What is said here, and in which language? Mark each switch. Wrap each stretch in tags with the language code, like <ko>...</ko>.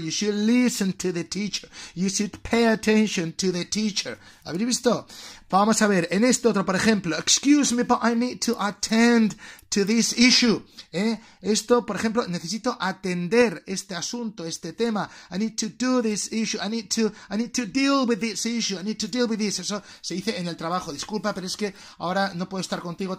<en>You should listen to the teacher. You should pay attention to the teacher.</en> <es>¿Habéis visto? Vamos a ver, en este otro, por ejemplo,</es> <en>excuse me, but I need to attend to this issue.</en> <es>Esto, por ejemplo, necesito atender este asunto, este tema.</es> <en>I need to do this issue. I need to deal with this issue. I need to deal with this.</en> <es>Eso se dice en el trabajo. Disculpa, pero es que ahora no puedo estar contigo.</es>